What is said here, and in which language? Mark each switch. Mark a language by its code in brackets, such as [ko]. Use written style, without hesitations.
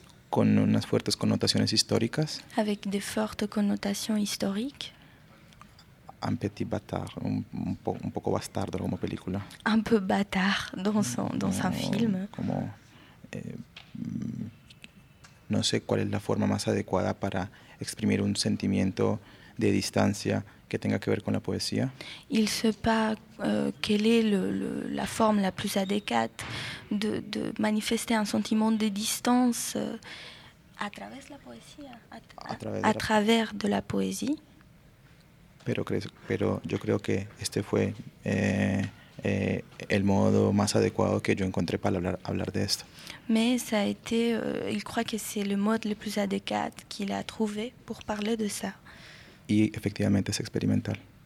[es] Con unas fuertes connotaciones históricas. [fr] Avec des fortes connotations historiques. Un petit bâtard, [es] un poco bastardo como película. [fr] Un peu bâtard dans son film. [es] Como, no sé cuál es la forma más adecuada para exprimir un sentimiento de distancia que tenga que ver con la poesía. [fr] Il sait pas quelle est la forme la plus adéquate de manifester un sentiment de distance à travers la poesía, à travers la poésie. [es] Pero yo creo que este fue el modo más adecuado que yo encontré para hablar de esto. [fr] Mais ça a été, il croit que c'est le mode le plus adéquat qu'il a trouvé pour parler de ça. Et effectivement, c'est expérimental.